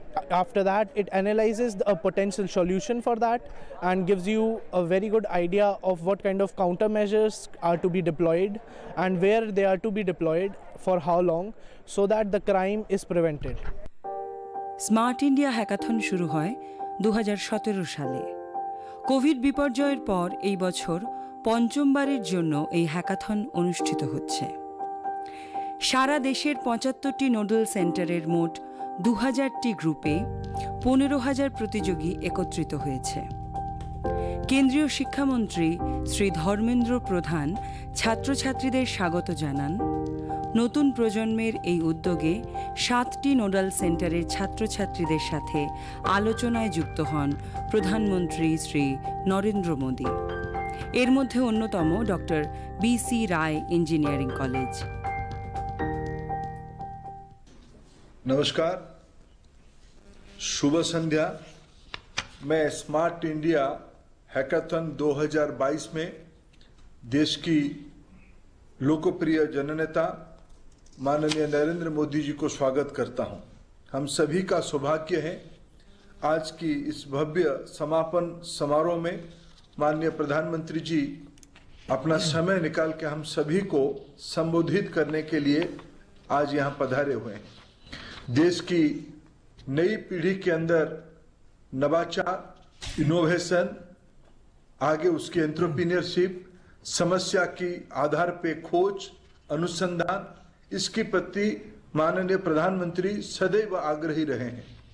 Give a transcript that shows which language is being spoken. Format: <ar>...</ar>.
<en>After that, it analyzes a potential solution for that and gives you a very good idea of what kind of countermeasures are to be deployed and where they are to be deployed for how long so that the crime is prevented.</en> <bn>Smart India Hackathon shuru hoy 2017 sale. Covid বিপর্যয়ের পর এই বছর পঞ্চমবারের জন্য এই hackathon অনুষ্ঠিত হচ্ছে। সারা দেশের 75টি nodal সেন্টারের মোট 2000টি গ্রুপে 15,000 প্রতিযোগী একত্রিত হয়েছে। কেন্দ্রীয় শিক্ষামন্ত্রী শ্রী ধর্মেন্দ্র প্রধান ছাত্রছাত্রীদের স্বাগত জানান। নতুন প্রজন্মের এই উদ্যোগে 7টি নোডাল সেন্টারের ছাত্রছাত্রীদের সাথে আলোচনায় যুক্ত হন প্রধানমন্ত্রী শ্রী নরেন্দ্র মোদী। এর মধ্যে অন্যতম ডক্টর বি.সি. রায় ইঞ্জিনিয়ারিং কলেজ। নমস্কার, শুভ সন্ধ্যা।</bn> <hi>মে স্মার্ট ইন্ডিয়া হ্যাকাথন 2022 মে দেশ কি লোকপ্রিয় জননেতা माननीय नरेंद्र मोदी जी को स्वागत करता हूं। हम सभी का सौभाग्य है आज की इस भव्य समापन समारोह में माननीय प्रधानमंत्री जी अपना समय निकाल के हम सभी को संबोधित करने के लिए आज यहां पधारे हुए हैं। देश की नई पीढ़ी के अंदर नवाचार, इनोवेशन, आगे उसकी एंटरप्रेन्योरशिप, समस्या की आधार पे खोज, अनुसंधान, इसकी प्रति माननीय प्रधानमंत्री सदैव आग्रही रहे हैं।</hi>